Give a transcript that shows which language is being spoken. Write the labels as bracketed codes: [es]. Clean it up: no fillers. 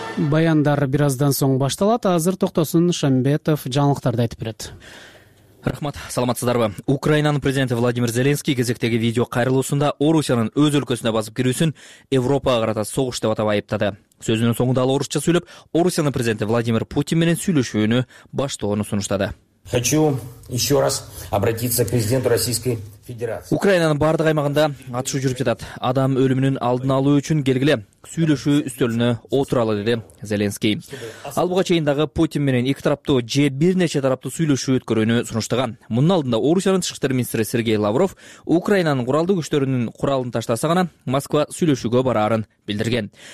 [ky] Баяндар бир аздан соң башталат. Азыр токтосун Шамбетов жаңылыктарды айтып берет. Рахмат, саламатсыздарбы. Украинанын президенти Владимир Зеленский кезектеги видео кайрылуусунда Орусиянын өз өлкөсүнө басып кирүүсүн Европага карата согуш деп атап айыптады. Сөзүнүн соңунда ал орусча сүйлөп, Орусиянын президенти Владимир Путин менен сүйлөшүүнү баштоону сунуштады. [ru] Хочу еще раз обратиться к президенту Российской Федерации. [ky] Украинанын бардык аймагында атышуу жүрүп жатат. Адам өлүмүнүн алдын алуу үчүн келгиле сүйлөшүү үстөлүнө отуралы, деди Зеленский. Ал буга чейин дагы Путин менен эки тараптуу же бир нече тараптуу сүйлөшүү өткөрүүнү сунуштаган. Мунун алдында Орусиянын тышкы иштер министри Сергей Лавров Украинанын куралдуу күчтөрүнүн куралын таштаса гана Москва сүйлөшүүгө бараарын билдирген.